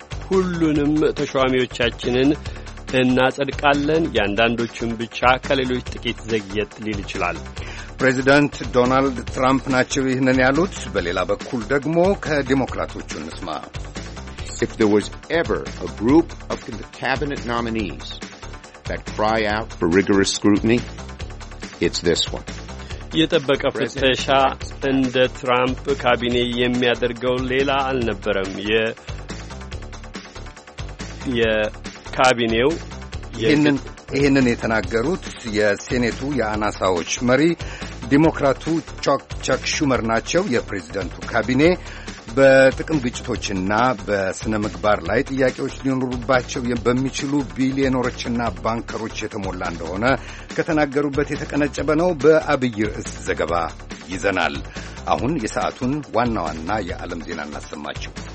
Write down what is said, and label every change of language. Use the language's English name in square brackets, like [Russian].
[Amharic] ሁሉንም ተሿሚዎቻችንን እናጸድቃለን፣ የአንዳንዶቹን ብቻ ከሌሎች ጥቂት ዘግየት ሊል ይችላል። ፕሬዚደንት ዶናልድ ትራምፕ ናቸው ይህንን ያሉት። በሌላ በኩል ደግሞ ከዲሞክራቶቹ እንስማ። [English] If there was ever a group of cabinet nominees that cry out for rigorous scrutiny, it's this one. [Amharic] የጠበቀ ፍተሻ እንደ ትራምፕ ካቢኔ የሚያደርገው ሌላ አልነበረም። የካቢኔው ይህንን የተናገሩት የሴኔቱ የአናሳዎች መሪ ዲሞክራቱ ቻክ ሹመር ናቸው። የፕሬዝደንቱ ካቢኔ በጥቅም ግጭቶችና በሥነ ምግባር ላይ ጥያቄዎች ሊኖሩባቸው በሚችሉ ቢሊዮነሮችና ባንከሮች የተሞላ እንደሆነ ከተናገሩበት የተቀነጨበ ነው። በአብይ ርዕስ ዘገባ ይዘናል። አሁን የሰዓቱን ዋና ዋና የዓለም ዜና እናሰማችሁ።